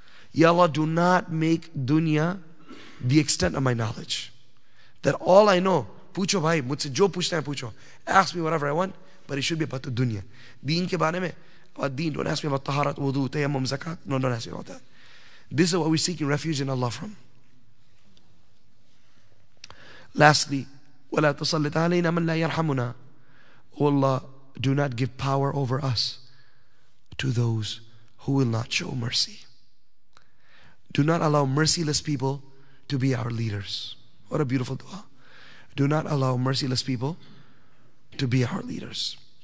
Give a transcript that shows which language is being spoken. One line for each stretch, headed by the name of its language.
English: Ya Allah, do not make dunya the extent of my knowledge. That all I know,
Hindi: poocho bhai, mujhse jo poochna hai poocho.
English: Ask me whatever I want, but it should be about the dunya.
Hindi: Deen ke baare mein,
English: about deen, don't ask me about taharat, wudu, tayammum, zakat. No, don't ask me about that. This is what we're seeking refuge in Allah from. Lastly,
Arabic: وَلَا تُصَلِّتْ عَلَيْنَا مَنْ لَا يَرْحَمُنَا.
English: O Allah, do not give power over us to those who will not show mercy. Do not allow merciless people to be our leaders. What a beautiful dua. Do not allow merciless people to be our leaders.